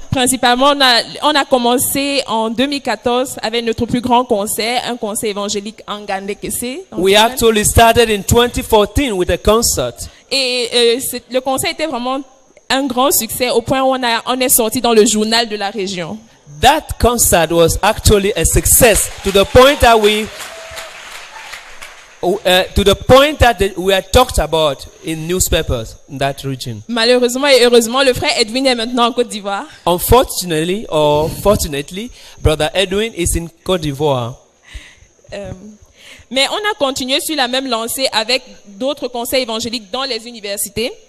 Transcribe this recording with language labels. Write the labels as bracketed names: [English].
[French] principalement, on a commencé en 2014 avec notre plus grand concert, un concert évangélique en Gandekese. [English] We actually started in 2014 with a concert. [French] Et le concert était vraiment un grand succès au point où on est sorti dans le journal de la région. [English] That concert was actually a success to the point that we are talked about in newspapers in that region. [French] Malheureusement et heureusement, le frère Edwin est maintenant en Côte d'Ivoire. [English] Unfortunately or fortunately, brother Edwin is in Côte d'Ivoire. [French] Mais on a continué sur la même lancée avec d'autres conseils évangéliques dans les universités.